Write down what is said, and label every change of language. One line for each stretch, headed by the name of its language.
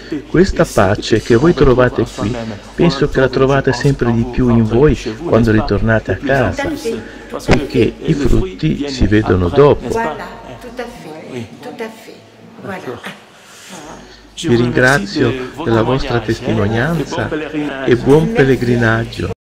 Italian: Questa pace che voi trovate qui, penso che la trovate sempre di più in voi quando ritornate a casa, perché i frutti si vedono dopo.
French: Voilà, tout à fait, tout à fait. Voilà.
Italian: Vi ringrazio della vostra testimonianza e buon pellegrinaggio.